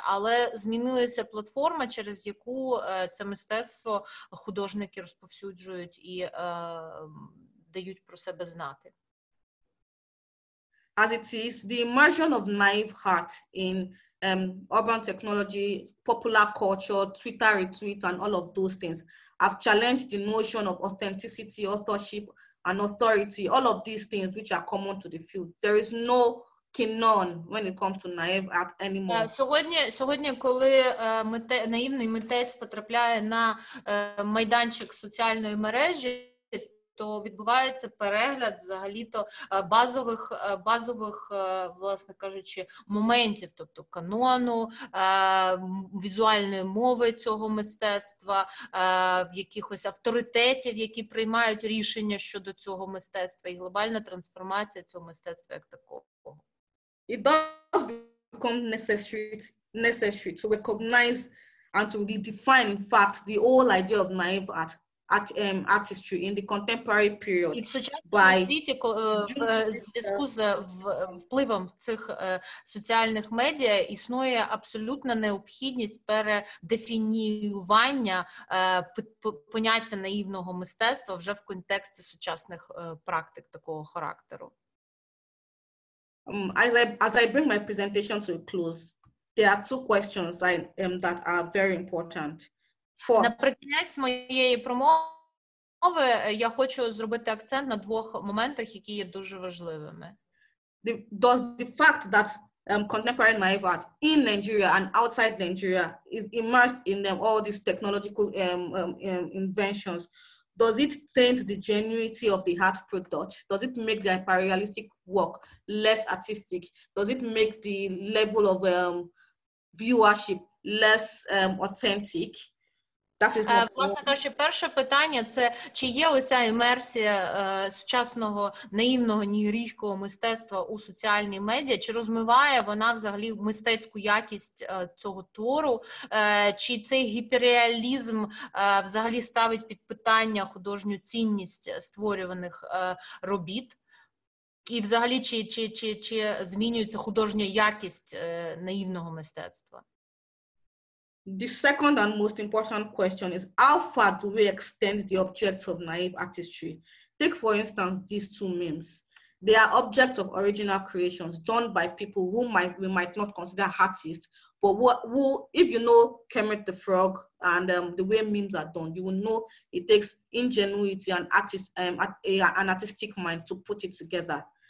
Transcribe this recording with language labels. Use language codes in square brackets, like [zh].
[uk] Але змінилася платформа, через яку це мистецтво художники розповсюджують і дають про себе знати. [en] as it is, the immersion of naive heart in urban technology, popular culture, Twitter retweets, and all of those things have challenged the notion of authenticity, authorship, and authority, all of these things which are common to the field. There is no canon when it comes to naive art anymore. [uk] Сьогодні, коли наївний митець потрапляє на майданчик соціальної мережі, то відбувається перегляд взагалі-то базових, власне кажучи, моментів, тобто канону, візуальної мови цього мистецтва, якихось авторитетів, які приймають рішення щодо цього мистецтва, і глобальна трансформація цього мистецтва як такого. [en] It does become necessary to recognize and to redefine, in fact, the whole idea of naive art. Artistry in the contemporary period. [uk] І в сучасному світі, зв'язку з впливом цих соціальних медіа, існує абсолютна необхідність передефініювання поняття наївного мистецтва вже в контексті сучасних практик такого характеру. [en] As I bring my presentation to a close, there are two questions that are very important. [uk] Наприкінець моєї промови я хочу зробити акцент на двох моментах, які є дуже важливими. [en] Does the fact that contemporary naive art in Nigeria and outside Nigeria is immersed in all these technological inventions, does it taint the genuity of the art product? Does it make the hyper-realistic work less artistic? Does it make the level of viewership less authentic? [uk] Власне кажучи, перше питання – це чи є оця імерсія сучасного наївного нігерійського мистецтва у соціальні медіа, чи розмиває вона взагалі мистецьку якість цього твору, чи цей гіперреалізм взагалі ставить під питання художню цінність створюваних робіт, і взагалі чи змінюється художня якість наївного мистецтва. [en] The second and most important question is, how far do we extend the objects of naive artistry? Take, for instance, these two memes. They are objects of original creations done by people who we might not consider artists, but who if you know Kermit the Frog and the way memes are done, you will know it takes ingenuity and an artistic mind to put it together.